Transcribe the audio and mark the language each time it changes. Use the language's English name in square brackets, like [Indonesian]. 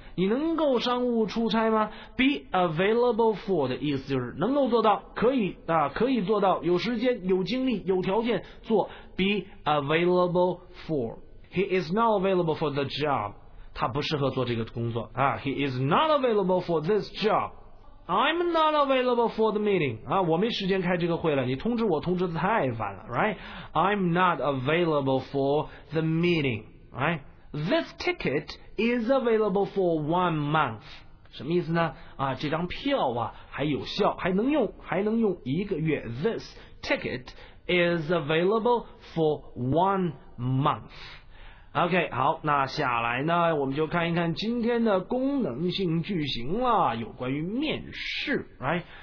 [Chinese] 你能够商务出差吗 ？ [English] Be available for [Chinese] 的意思就是能够做到，可以啊，可以做到，有时间、有精力、有条件做。 [English] Be available for。 He is not available for the job。 [Chinese] 他不适合做这个工作啊 ， [English] He is not available for this job. I'm not available for the meeting. [Chinese] 啊，我没时间开这个会了，你通知我通知的太晚了 ，right? [English] I'm not available for the meeting. Right? This ticket is available for 1 month. [Chinese] 什么意思呢？啊，这张票啊还有效，还能用，还能用一个月。 [English] This ticket is available for 1 month. [Chinese] OK, 好，那下来呢，我们就看一看今天的功能性句型了，有关于面试 ，right？